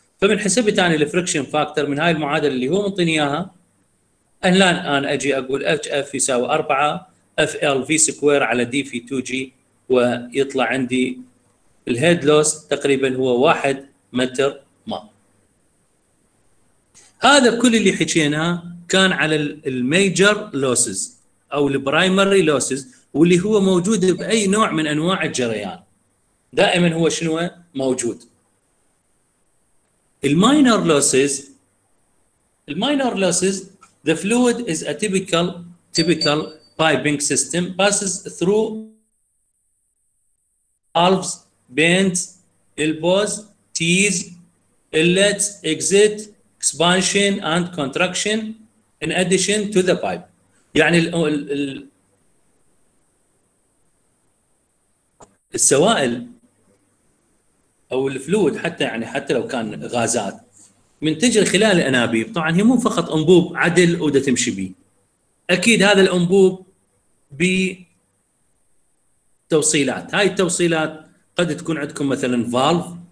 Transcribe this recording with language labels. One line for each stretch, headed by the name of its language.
Arabic: فمن حسب ثاني الفريكشن فاكتور من هاي المعادله اللي هو منطيني اياها، الان انا اجي اقول اتش اف يساوي 4 اف ال في سكوير على دي في 2 جي، ويطلع عندي الهيد لوس تقريبا هو 1 متر ما. هذا كل اللي حكيناه كان على الميجر لوسز او البرايمري لوسز، واللي هو موجود باي نوع من انواع الجريان دائما هو شنو موجود.
English: الماينر لوسز، الماينر losses the fluid is a typical piping system passes through valves, bends, elbows, tees, inlets, exit, expansion and contraction in addition to the pipe.
Arabic: يعني السوائل او الفلويد حتى يعني حتى لو كان غازات من تجري خلال الانابيب، طبعا هي مو فقط انبوب عدل وده تمشي بيه، اكيد هذا الانبوب بتوصيلات، هاي التوصيلات قد تكون عندكم مثلا فالف،